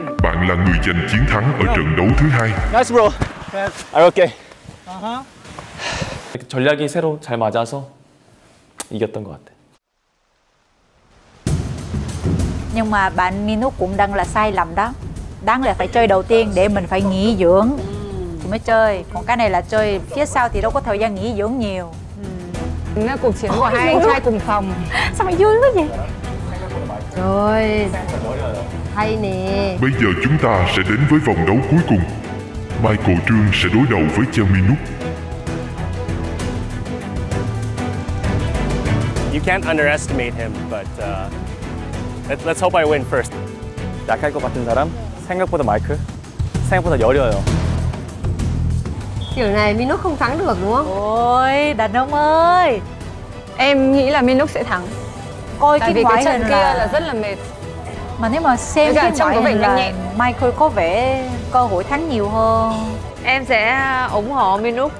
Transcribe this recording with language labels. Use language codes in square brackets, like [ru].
[vi] Bạn là người giành chiến thắng ở trận đấu thứ hai. [en] Nice bro. Are okay? Uh-huh. [ko] 전략이 새로 잘 맞아서 이겼던 것 같아. [vi] Nhưng mà bạn Minuk cũng đang là sai lầm đó. Đáng lẽ phải chơi đầu tiên để mình phải nghỉ dưỡng mới chơi. Còn cái này là chơi phía sau thì đâu có thời gian nghỉ dưỡng nhiều. Cuộc chiến của hai anh trai cùng phòng. Sao mày vui quá vậy? Rồi. Hay nè. Bây giờ chúng ta sẽ đến với vòng đấu cuối cùng. Michael Trương sẽ đối đầu với Châu Minuk. [en] You can't underestimate him, but let's hope I win first. [ko] 약할 것 같은 사람 생각보다 마이클 생각보다 여려요. [vi] Kiểu này Minuk không thắng được đúng không? Ôi, đàn ông ơi. Em nghĩ là Minuk sẽ thắng. Coi tại vì quái cái trận kia là rất là mệt. Mà nếu mà xem phim quái hình là Michael có vẻ cơ hội thắng nhiều hơn. Em sẽ ủng hộ Minuk.